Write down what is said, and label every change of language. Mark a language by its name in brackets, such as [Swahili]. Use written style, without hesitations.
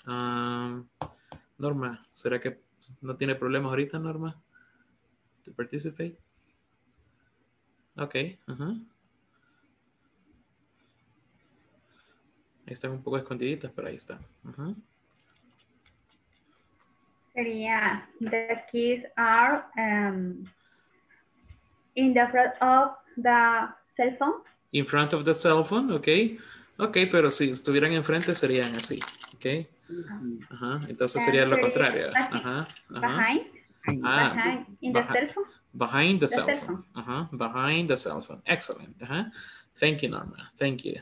[Spanish] Norma, ¿será que no tiene problemas ahorita, Norma? [English] To participate. [Spanish] Ok, uh-huh. Ahí están un poco escondiditas, pero ahí están. Uh-huh. [English] Sería, the keys are in the front of the cell phone. In front of the cell phone, okay. [Spanish] Okay, pero si estuvieran enfrente serían así, okay. Ajá, entonces sería lo contrario. Ajá, ajá. [English] Behind, ah, behind the cell phone. Ajá, behind the cell phone. Excellent, ajá. Thank you, Norma. Thank you.